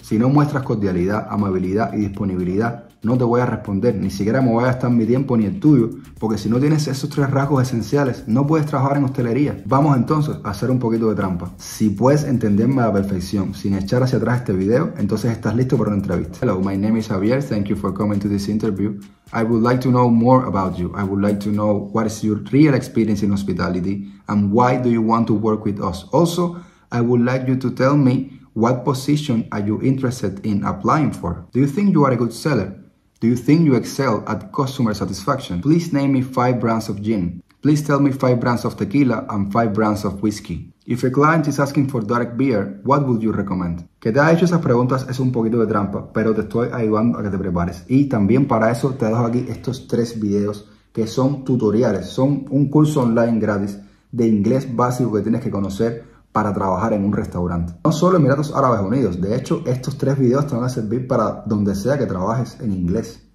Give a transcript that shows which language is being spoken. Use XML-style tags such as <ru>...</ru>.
<es>Si no muestras cordialidad, amabilidad y disponibilidad, no te voy a responder. Ni siquiera me voy a gastar mi tiempo ni el tuyo, porque si no tienes esos tres rasgos esenciales, no puedes trabajar en hostelería. Vamos entonces a hacer un poquito de trampa. Si puedes entenderme a la perfección sin echar hacia atrás este video, entonces estás listo para una entrevista.</es> <en>Hello, my name is Javier. Thank you for coming to this interview. I would like to know more about you. I would like to know what is your real experience in hospitality and why do you want to work with us. Also, I would like you to tell me what position are you interested in applying for? Do you think you are a good seller? Do you think you excel at customer satisfaction? Please name me 5 brands of gin. Please tell me 5 brands of tequila and 5 brands of whiskey. If a client is asking for dark beer, what would you recommend?</en> <es>Que te haya hecho esas preguntas es un poquito de trampa, pero te estoy ayudando a que te prepares. Y también para eso te dejo aquí estos 3 videos que son tutoriales, son un curso online gratis de inglés básico que tienes que conocer para trabajar en un restaurante. No solo Emiratos Árabes Unidos, de hecho estos 3 videos te van a servir para donde sea que trabajes en inglés.</es>